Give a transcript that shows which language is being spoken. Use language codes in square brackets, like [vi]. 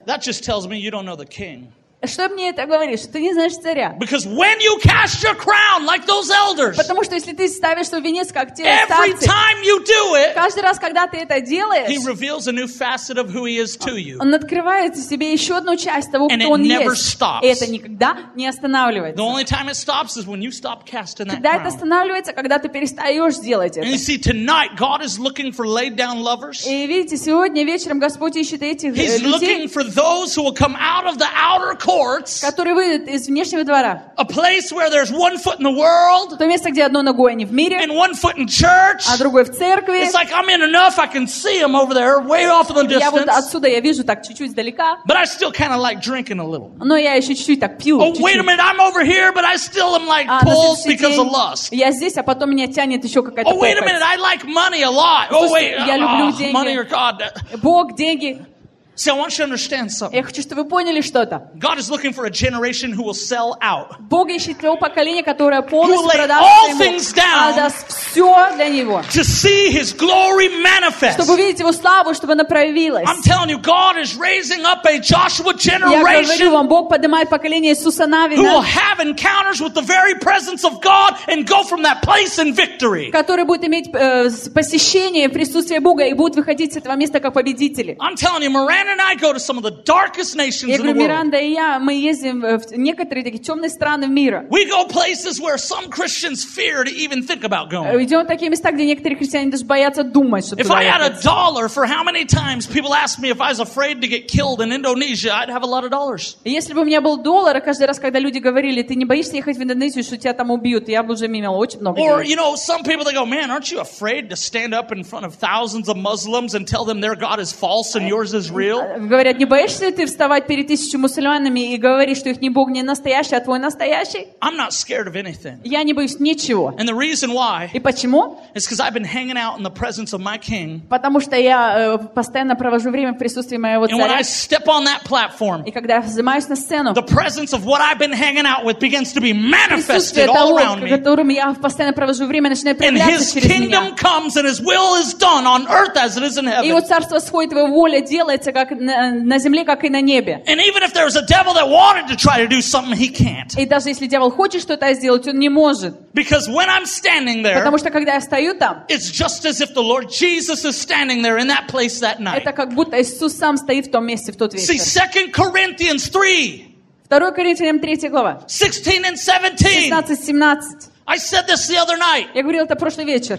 [en] That just tells me you don't know the king. [ru] Что мне это говорит? Что ты не знаешь царя. [en] Because when you cast your crown like those elders. [ru] Потому что если ты ставишь свой венец как те старцы. [en] Every time you do it. [ru] Каждый раз, когда ты это делаешь. [en] He reveals a new facet of who he is to you. [ru] Он открывает в себе еще одну часть того, кто он есть. И это никогда не останавливается. [en] The only time it stops is when you stop casting that [ru] Когда это останавливается, когда ты перестаешь делать это. [en] And you see, tonight God is looking for laid down lovers. [ru] И видите, сегодня вечером Господь ищет этих людей. [en] He's looking for those who will come out of the outer court. [ru] Который выйдет из внешнего двора. [en] A place where there's one foot in the world. [ru] То место, где одной ногой они в мире. [en] And one foot in church. [ru] А другой в церкви. [en] It's like I'm in enough. I can see them over there, way off in the distance. [ru] Я вот отсюда я вижу так чуть-чуть издалека. [en] But I still kind of like drinking a little. [ru] Но я еще чуть-чуть так пью. Oh, чуть-чуть. [en] Wait a minute, I'm over here, but I still am like pulled because of lust. [ru] Я здесь, а потом меня тянет еще какая-то. [en] Oh, wait a minute, I like money a lot. Oh, wait. [ru] Я люблю деньги. [en] Money or God? [ru] Бог, деньги. [en] See, I want you to understand something. [ru] Я хочу, чтобы вы поняли что-то. [en] God is looking for a generation who will sell out. [ru] Бог ищет того поколения, которое полностью [en] will [ru] продаст [en] all [ru] ему, [en] things down [ru] отдаст все для него. [en] To see His glory manifest. [ru] Чтобы увидеть Его славу, чтобы она проявилась. [en] I'm telling you, God is raising up a Joshua generation. [ru] Я говорю вам, Бог поднимает поколение Иисуса Навина. [en] Who will have encounters with the very presence of God and go from that place in victory. [ru] Который будет иметь посещение присутствия Бога и будет выходить с этого места как победители. [en] I'm telling you, Miranda. And I go to some of the darkest nations in the world. [ru] Миранда и я, мы ездим в некоторые такие темные страны мира. [en] We go places where some Christians fear to even think about going. [ru] Мы идем в такие места, где некоторые христиане даже боятся думать, что туда ехать. [en] If I had a dollar for how many times people ask me if I was afraid to get killed in Indonesia, I'd have a lot of dollars. [ru] Если бы у меня был доллар, каждый раз, когда люди говорили, ты не боишься ехать в Индонезию, что тебя там убьют, я бы уже имел очень много денег. [en] Or you know, some people they go, man, aren't you afraid to stand up in front of thousands of Muslims and tell them their God is false and yours is real? [ru] Говорят, не боишься ты вставать перед тысячу мусульманами и говорить, что их не Бог не настоящий, а твой настоящий? [en] I'm not scared of anything. [ru] Я не боюсь ничего. [en] And the reason why? [ru] И почему? [en] It's because I've been hanging out in the presence of my King. [ru] Потому что я постоянно провожу время в присутствии моего царя. [en] And when I step on that platform, [ru] и когда я взымаюсь на сцену, [en] the presence of what I've been hanging out with begins to be manifested [ru] того, [en] all around me. [ru] Которым я постоянно провожу время, начинает проявляться через меня. [en] And His kingdom comes, and His will is done on earth as it is in heaven. [ru] И его царство сходит, его воля делается. Как на земле, как и на небе. [en] And even if there was a devil that wanted to try to do something, he can't. [ru] И даже если дьявол хочет что-то сделать, он не может. [en] Because when I'm standing there, [ru] потому что когда я стою там, [en] it's just as if the Lord Jesus is standing there in that place that night. [ru] Это как будто Иисус сам стоит в том месте в тот вечер. [en] See, 2 Corinthians 3. [ru] 2 Коринфянам 3 глава. [en] 16 and 17. I said this the other night. [ru] Я говорил это прошлый вечер.